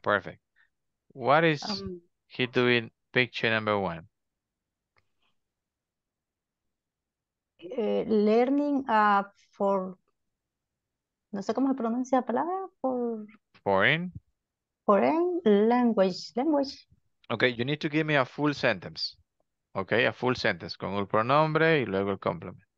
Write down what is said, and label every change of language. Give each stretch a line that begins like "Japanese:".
English: Perfect. What is he doing, picture number one? Learning for,
Spanish: no sé cómo se pronuncia la palabra, for
English: foreign language. Okay, you need to give me a full sentence. Okay, a full sentence
Spanish: con el pronombre y luego el complement.